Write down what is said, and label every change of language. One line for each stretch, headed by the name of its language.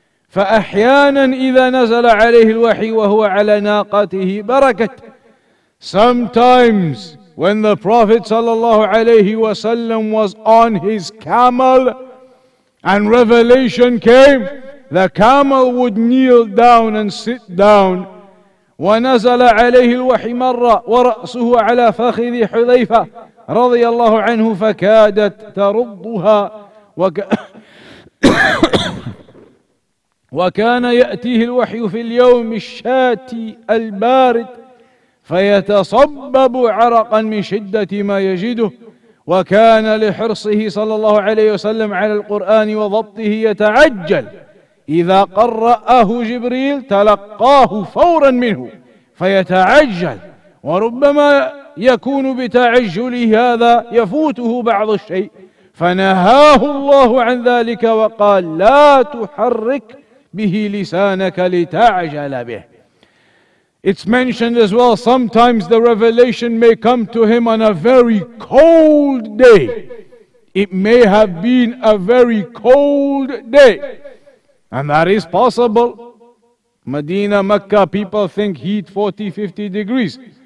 Arabic: فَأَحْيَانًا إِذَا نَزَلَ عَلَيْهِ الْوَحِي وَهُوَ عَلَى نَاقَتِهِ بَرَكَتْ.
English: Sometimes when the Prophet sallallahu alayhi wasallam was on his camel and revelation came, the camel would kneel down and sit down.
Arabic: وَنَزَلَ عَلَيْهِ الْوَحِي مَرَّ وَرَأْسُهُ عَلَى فَخِذِ حُذَيْفَةَ رضي الله عنه فكادت تردها وكان يأتيه الوحي في اليوم الشاتي البارد فيتصبب عرقا من شدة ما يجده وكان لحرصه صلى الله عليه وسلم على القرآن وضبطه يتعجل إذا قرأه جبريل تلقاه فورا منه فيتعجل وربما يكون بتعجل هذا يفوته بعض الشيء فنهاه الله عن ذلك وقال لا تحرك به لسانك لتعجل به.
English: It's mentioned as well, sometimes the revelation may come to him on a very cold day. It may have been a very cold day. And that is possible. Medina, Mecca, people think heat 40, 50 degrees.